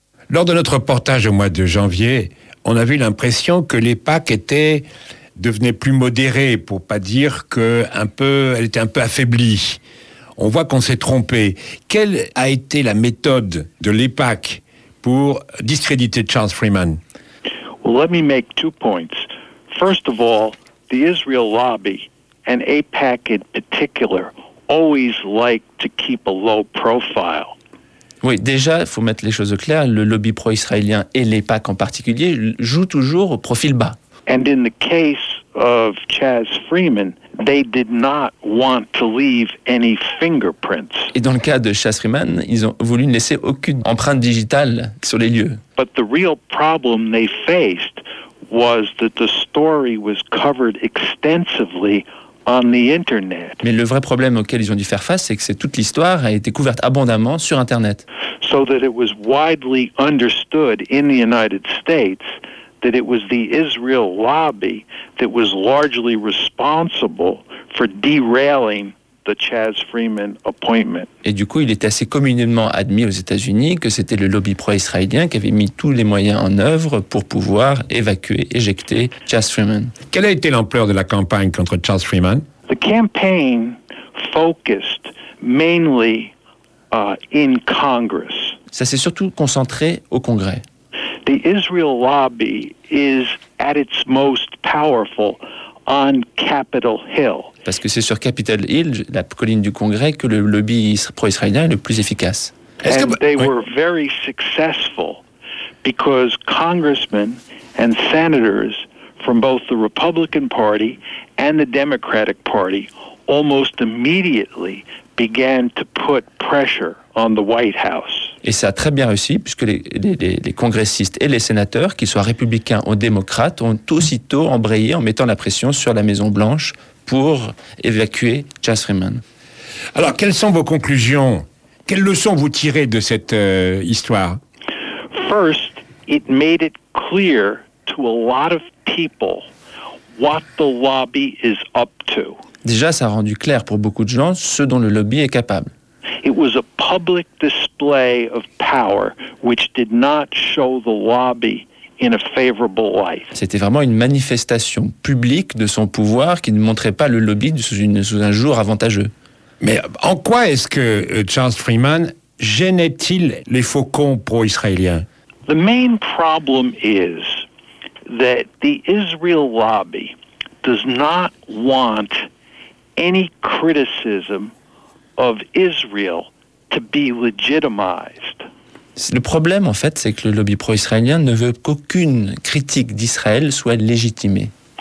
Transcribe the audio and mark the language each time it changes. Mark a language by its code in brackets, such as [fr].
[fr] Lors de notre reportage au mois de janvier, on avait l'impression que les PAC devenait plus modérée, pour pas dire qu'elle était un peu affaiblie. On voit qu'on s'est trompé. Quelle a été la méthode de l'EPAC pour discréditer Charles Freeman? [en] Well, let me make two points. First of all, the Israel lobby, and AIPAC in particular, always like to keep a low profile. [fr] Oui, déjà, il faut mettre les choses au clair, le lobby pro-israélien et l'EPAC en particulier jouent toujours au profil bas. [en] And in the case of Chaz Freeman, they did not want to leave any fingerprints. [fr] Et dans le cas de Chaz Freeman, ils ont voulu ne laisser aucune empreinte digitale sur les lieux. [en] But the real problem they faced was that the story was covered extensively on the internet. [fr] Mais le vrai problème auquel ils ont dû faire face, c'est que toute l'histoire a été couverte abondamment sur internet. [en] So that it was widely understood in the United States that it was the Israel lobby that was largely responsible for derailing the Chaz Freeman appointment. [fr] Et du coup, il était assez communément admis aux États-Unis que c'était le lobby pro-israélien qui avait mis tous les moyens en œuvre pour pouvoir évacuer, éjecter Chaz Freeman. Quelle a été l'ampleur de la campagne contre Chaz Freeman? [en] The campaign focused mainly in Congress. [fr] Ça s'est surtout concentré au Congrès. [en] The Israel lobby is at its most powerful on Capitol Hill. [fr] Parce que c'est sur Capitol Hill, la colline du Congrès, que le lobby pro-israélien est le plus efficace. [en] Were very successful because congressmen and senators from both the Republican Party and the Democratic Party almost immediately began to put pressure on the White House. [fr] Et ça a très bien réussi, puisque les congressistes et les sénateurs, qu'ils soient républicains ou démocrates, ont aussitôt embrayé en mettant la pression sur la Maison-Blanche pour évacuer Chaz Freeman. Alors, quelles sont vos conclusions? Quelles leçons vous tirez de cette histoire? [en] First, it made it clear to a lot of people what the lobby is up to. [fr] Déjà, ça a rendu clair pour beaucoup de gens ce dont le lobby est capable. [en] It was a public display of power which did not show the lobby in a favorable light. [fr] C'était vraiment une manifestation publique de son pouvoir qui ne montrait pas le lobby sous un jour avantageux. Mais en quoi est-ce que Charles Freeman gênait-il les faucons pro-israéliens? [en] The main problem is that the Israel lobby does not want any criticism of Israel to be legitimized. [fr] Le problème, en fait, c'est que le lobby pro-israélien ne veut qu'aucune critique d'Israël soit légitimée.